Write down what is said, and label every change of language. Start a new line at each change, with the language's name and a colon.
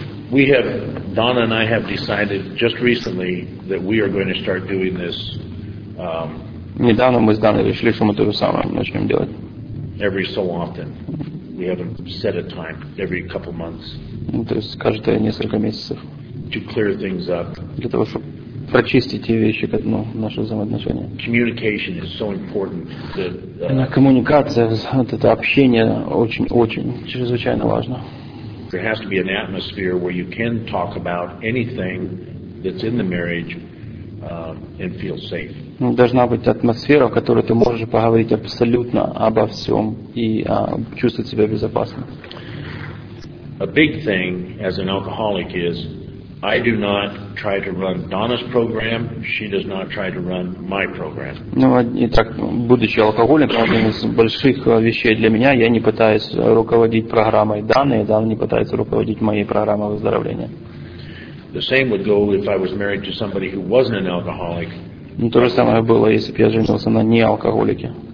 English: We have, Donna and I have decided just recently that we are going to start doing this.
Russian: Недавно мы с Даной решили, что мы то же самое начнем делать.
English: Every so often, we have set a time every couple months.
Russian: То есть каждые несколько месяцев.
English: To clear things up.
Russian: Для того, чтобы прочистить те вещи, наши взаимоотношения.
English: Communication is so important.
Russian: Коммуникация, это общение очень-очень чрезвычайно важно.
English: There has to be an atmosphere where you can talk about anything that's in the marriage and feel safe.
Russian: Должна быть атмосфера, в которой ты можешь поговорить абсолютно обо всем и чувствовать себя безопасно.
English: A big thing as an alcoholic is I do not try to run Donna's program, she does not try to run my program.
Russian: Итак, будучи алкоголиком, одна из больших вещей для меня, я не пытаюсь руководить программой Даны, и Дана не пытается руководить моей программой выздоровления.
English: The same would go if I was married to somebody who wasn't an alcoholic.
Russian: То же самое было, если бы я женился на неалкоголике.